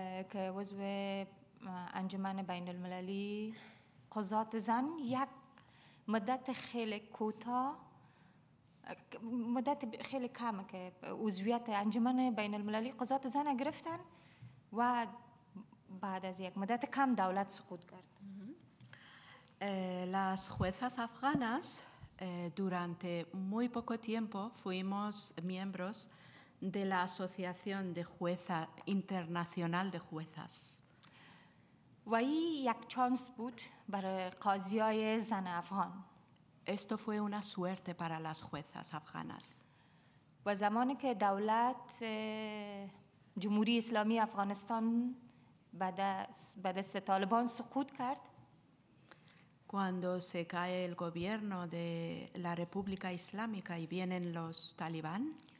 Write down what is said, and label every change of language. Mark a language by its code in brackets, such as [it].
[fa] که عضو انجمن بین المللی قضات زن یک مدت خیلی کوتاه، مدت خیلی کم که عضویت انجمن بین المللی قضات زن گرفتن و بعد از یک مدت کم دولت سقوط کرد. [es] Las juezas afganas durante muy poco tiempo fuimos miembros de la Asociación de Jueza Internacional de Juezas. [fa] و ای یک چانس بود برای قاضیای زن افغان. [es] Esto fue una suerte para las juezas afganas. [fa] و زمانی که دولت جمهوری اسلامی افغانستان بعد از طالبان سقوط کرد. [es] Cuando se cae el gobierno de la República Islámica y vienen los talibán.